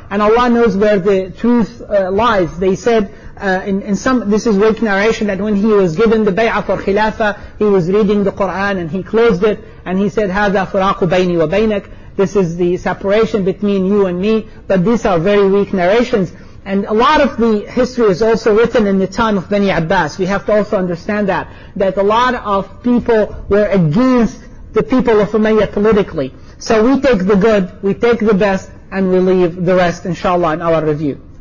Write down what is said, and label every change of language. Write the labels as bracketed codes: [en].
[en] And Allah knows where the truth lies. They said, this is weak narration, that when he was given the bay'ah for Khilafa, he was reading the Qur'an and he closed it. [ar] And he said, هذا فراق بيني وبينك. [en] This is the separation between you and me. But these are very weak narrations. And a lot of the history is also written in the time of Bani Abbas. We have to also understand that a lot of people were against the people of Umayyah politically. So we take the good, we take the best, and we leave the rest, inshallah, in our review.